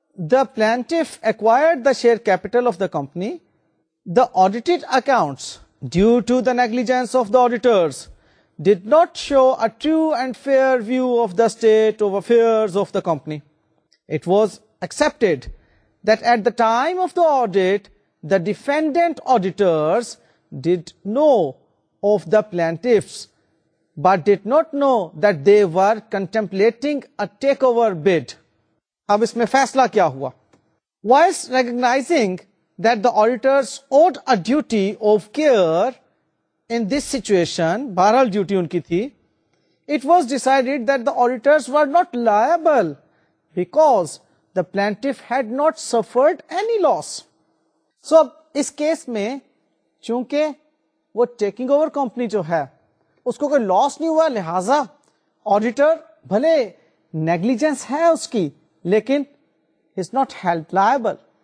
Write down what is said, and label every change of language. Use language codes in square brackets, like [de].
[en] The plaintiff acquired the share capital of the company, the audited accounts due to the negligence of the auditors did not show a true and fair view of the state of affairs of the company. It was expected that at the time of the audit, the defendant auditors did know of the plaintiffs, but did not know that they were contemplating a takeover bid. [ur] Ab isme faisla kya hua? [en] Whilst recognizing that the auditors owed a duty of care in this situation, [ur] baral duty unki thi, [en] it was decided that the auditors were not liable because the plaintiff had not suffered any loss. [ur] So, اب اس case میں چونکہ وہ taking over company جو ہے اس کو کوئی لاس نہیں ہوا, لہذا آڈیٹر بھلے نیگلیجنس ہے اس کی لیکن [en] Is not held liable.